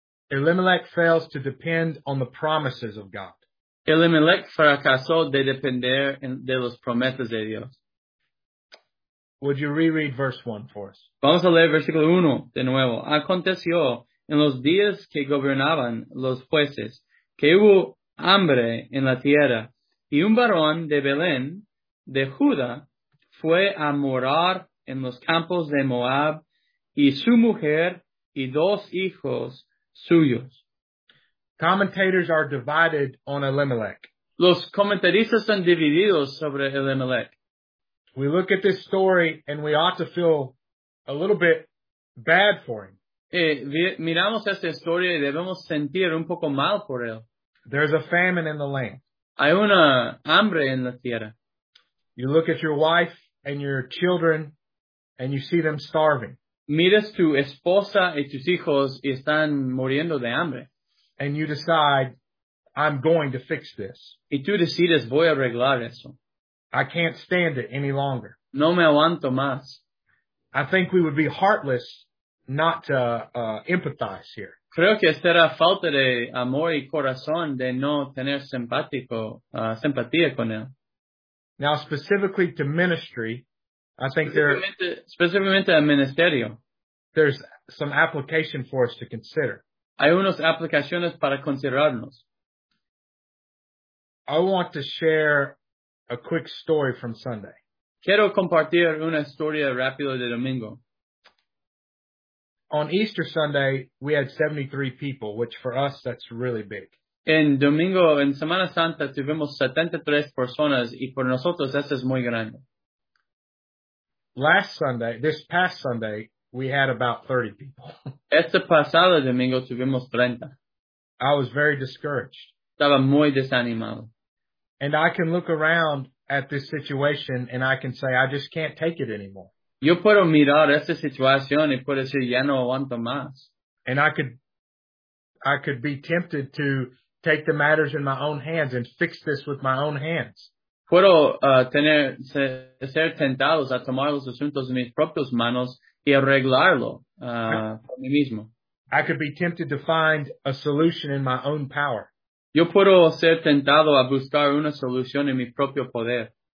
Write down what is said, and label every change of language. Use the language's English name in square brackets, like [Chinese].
[English] Elimelech fails to depend on the promises of God. [Spanish] Elimelech fracasó de depender de las promesas de Dios. [English] Would you reread verse 1 for us? [Spanish] Vamos a leer versículo 1 de nuevo. Aconteció en los días que gobernaban los jueces que hubo hambre en la tierra, y un varón de Belén, de Judá, fue a morar en los campos de Moab, y su mujer y dos hijos suyos. [English] Commentators are divided on Elimelech. [Spanish] Los comentaristas están divididos sobre Elimelech. [English] We look at this story and we ought to feel a little bit bad for him. [Spanish] Miramos esta historia y debemos sentir un poco mal por él. [English] There's a famine in the land. [Spanish] Hay una hambre en la tierra. [English] You look at your wife and your children and you see them starving. [Spanish] Miras tu esposa y tus hijos y están muriendo de hambre. [English] And you decide, I'm going to fix this. [Spanish] Y tú decides, voy a arreglar eso. [English] I can't stand it any longer. [Spanish] No me aguanto más. [English] I think we would be heartless not to empathize here. [Spanish] Creo que esta era falta de amor y corazón de no tener simpatía con él. [English] Now, specifically to ministry, I think there are... Specifically [Spanish] a ministerio. [English] There's some application for us to consider. [Spanish] Hay unas aplicaciones para considerarnos. [English] I want to share a quick story from Sunday. [Spanish] Quiero compartir una historia rápida de domingo. [English] On Easter Sunday, we had 73 people, which for us, that's really big. [Spanish] En domingo, en Semana Santa, tuvimos 73 personas, y por nosotros, eso es muy grande. [English] This past Sunday, we had about 30 people. [Spanish] Este pasado domingo, tuvimos 30. [English] I was very discouraged. [Spanish] Estaba muy desanimado. [English] And I can look around at this situation, and I can say, I just can't take it anymore. [Spanish] Yo puedo mirar esta situación y puedo decir, ya no aguanto más. [English] And I could be tempted to take the matters in my own hands and fix this with my own hands. [Spanish] Puedo ser tentados a tomar los asuntos en mis propias manos y arreglarlo por mí mismo. [English] I could be tempted to find a solution in my own power. [Spanish] Yo puedo ser tentado a buscar una solución en mi propio poder.